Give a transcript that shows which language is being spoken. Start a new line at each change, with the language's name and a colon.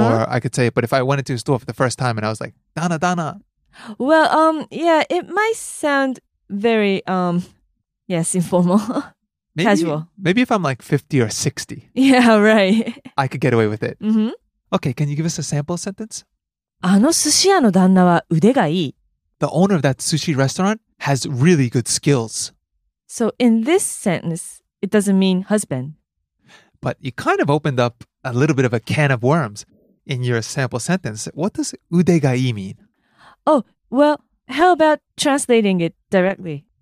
English: or I could say it, but if I went into a store for the first time and I was like, danna, danna. Well, yeah, it might sound very, yes, informal. Maybe, casual. Maybe if I'm like 50 or 60. Yeah, right. I could get away with it. Mm-hmm. Okay, can you give us a sample sentence?
Japanese: あの寿司屋の旦那は腕がいい。
English: The owner of that sushi restaurant has really good skills. So in this sentence, it doesn't mean husband. But you kind of opened up a little bit of a can of worms in your sample sentence. What does
Japanese: 腕がいい
English: mean? Oh, well, how about translating it directly?